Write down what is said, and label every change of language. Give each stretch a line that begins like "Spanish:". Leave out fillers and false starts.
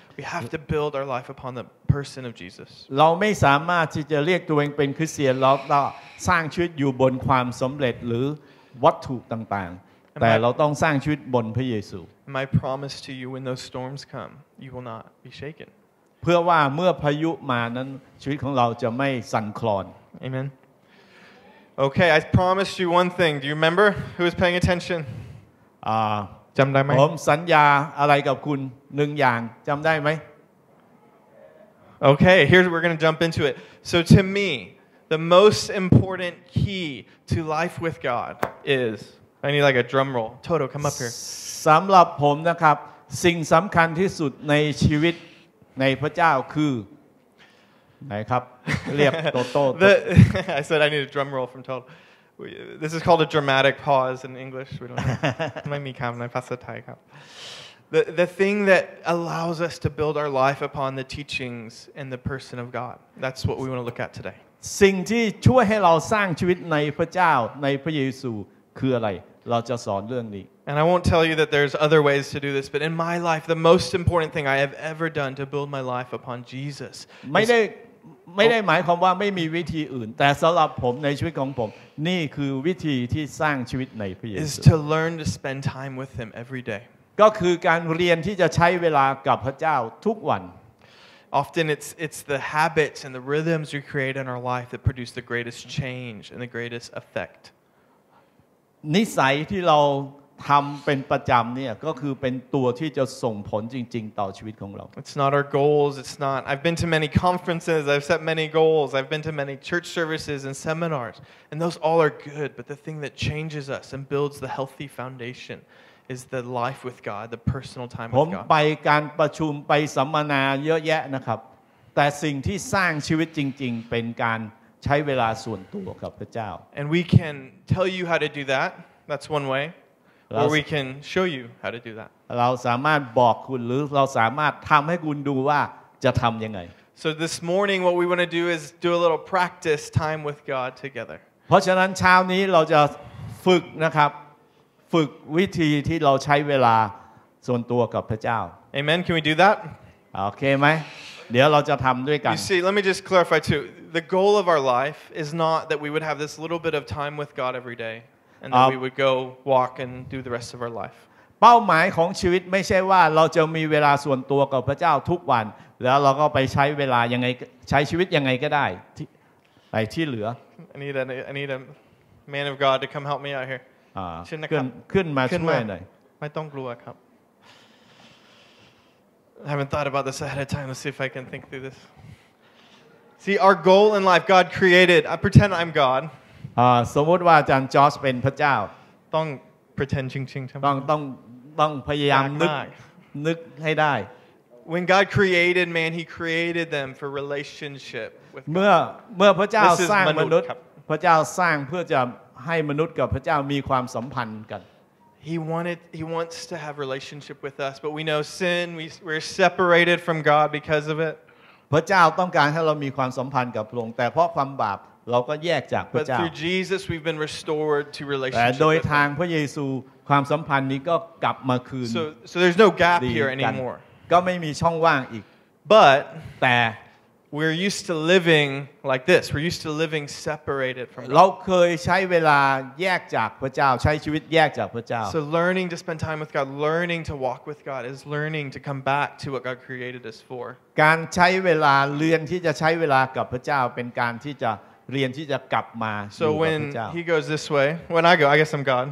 English: We have to build our life upon the person of Jesus.
Thai: เราไม่สามารถที่จะเรียกตัวเองเป็นคริสเตียนแล้วสร้างชีวิตอยู่บนความสําเร็จหรือวัตถุต่างๆแต่เราต้องสร้างชีวิตบนพระเยซู
English: My promise to you when those storms come, you will not be shaken.
Thai: เพื่อว่าเมื่อพายุมานั้นชีวิตของเราจะไม่สั่นคลอน
English: Amen. Okay, I promised you one thing. Do you remember? Who is paying attention?
Thai: จำได้ไหม ผมสัญญาอะไรกับคุณหนึ่งอย่างจำได้ไหม
English: Okay, here we're going to jump into it. So to me, the most important key to life with God is... I need like a drum roll. Toto, come up here.
Thai: สำหรับผมนะครับสิ่งสำคัญที่สุดในชีวิตในพระเจ้าคือไหนครับเรียบโตโต
English: I said I need a drum roll from Toto. This is called a dramatic pause in English. We don't make me come. I pass the time. The thing that allows us to build our life upon the teachings and the person of God. That's what we want to look at today.
Thai: สิ่งที่ช่วยให้เราสร้างชีวิตในพระเจ้าในพระเยซูคืออะไรเราจะสอนเรื่องนี้
English: And I won't tell you that there's other ways to do this, but in my life, the most important thing I have ever done to build my life upon Jesus.
Thai: ไม่ได้หมายความว่าไม่มีวิธีอื่นแต่สำหรับผมในชีวิตของผมนี่คือวิธีที่สร้างชีวิตในพระเยซู
English: is to learn to spend time with him every day
Thai: ก็คือการเรียนที่จะใช้เวลากับพระเจ้าทุกวัน
English: often it's the habits and the rhythms we create in our life that produce the greatest change and the greatest effect
Thai: นิสัยที่เราทำเป็นประจำเนี่ยก็คือเป็นตัวที่จะส่งผลจริงๆต่อชีวิตของเรา
English: It's not our goals. It's not. I've been to many conferences. I've set many goals. I've been to many church services and seminars, and those all are good. But the thing that changes us and builds the healthy foundation is the life with God, the personal time with God.
Thai: ผมไปการประชุมไปสัมมนาเยอะแยะนะครับแต่สิ่งที่สร้างชีวิตจริงๆเป็นการใช้เวลาส่วนตัวกับพระเจ้า
English: And we can tell you how to do that. That's one way. Or we can show you how to do that.
Thai: เราสามารถบอกคุณหรือเราสามารถทำให้คุณดูว่าจะทำยังไง
English: So this morning, what we want to do is do a little practice time with God together.
Thai: เพราะฉะนั้นเช้านี้เราจะฝึกนะครับฝึกวิธีที่เราใช้เวลาส่วนตัวกับพระเจ้า
English: Amen. Can we do that?
Thai: โอเคไหมเดี๋ยวเราจะทำด้วยกัน
English: You see, let me just clarify too. The goal of our life is not that we would have this little bit of time with God every day. And then we would go walk and do the rest of our life.
Thai: เป้าหมายของชีวิตไม่ใช่ว่าเราจะมีเวลาส่วนตัวกับพระเจ้าทุกวันแล้วเราก็ไปใช้เวลายังไงใช้ชีวิตยังไงก็ได้ที่เหลือ
English: I need a man of God to come help me out here.
Thai: ขึ้นมาช่วยหน่อย ไม่ต้องกลัวครับ
English: I haven't thought about this ahead of time. Let's see if I can think through this. See, our goal in life, God created. I pretend I'm God.
Thai: สมมติว่าอาจารย์จอร์จเป็นพระเจ้า ต้อง pretend จริงๆทํา ต้องพยายามนึกให้ได้
English: When God created man he created them for relationship with
Thai: เมื่อพระเจ้าสร้างมนุษย์พระเจ้าสร้างเพื่อจะให้มนุษย์กับพระเจ้ามีความสัมพันธ์กัน
English: He wants to have relationship with us but we know sin we're separated from God because of it
Thai: พระเจ้าต้องการให้เรามีความสัมพันธ์กับพระองค์แต่เพราะความบาปเราก็แยกจากพระเจ้า
English: But through Jesus we've been restored to relationship
Thai: แต่โดยทางพระเยซูความสัมพันธ์นี้ก็กลับมาคืน
English: So there's no gap here anymore
Thai: ก็ไม่มีช่องว่างอีก
English: But
Thai: แต่
English: we're used to living like this we're used to living separated from
Thai: เราเคยใช้เวลาแยกจากพระเจ้าใช้ชีวิตแยกจากพระเจ้า
English: So learning to spend time with God learning to walk with God is learning to come back to what God created us for
Thai: การใช้เวลาเรียนที่จะใช้เวลากับพระเจ้าเป็นการที่จะเรียนที่จะกลับมา
English: So when he goes this way, when I go, I guess I'm God.